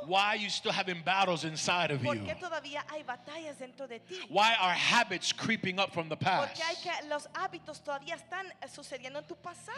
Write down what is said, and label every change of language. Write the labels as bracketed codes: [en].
[en] why are you still having battles inside of [es] ¿por [en] you? [es] ¿Por qué todavía hay batallas dentro de ti? [en] Why are habits creeping up from the past? [es] ¿Por qué hay que los hábitos todavía están sucediendo en tu pasado?